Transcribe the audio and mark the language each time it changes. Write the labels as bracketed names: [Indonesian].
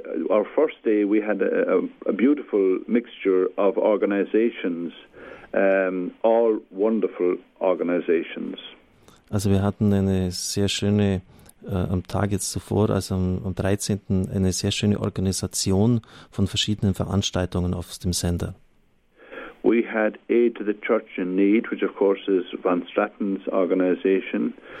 [English] Our first day, we had a beautiful mixture of organizations, all wonderful organizations. [German] Also, wir hatten eine sehr schöne am Tag jetzt zuvor, also am 13. eine sehr schöne Organisation von verschiedenen Veranstaltungen auf dem Sender. [English] We had Aid to the Church in Need, which of course is Van Straten's organization.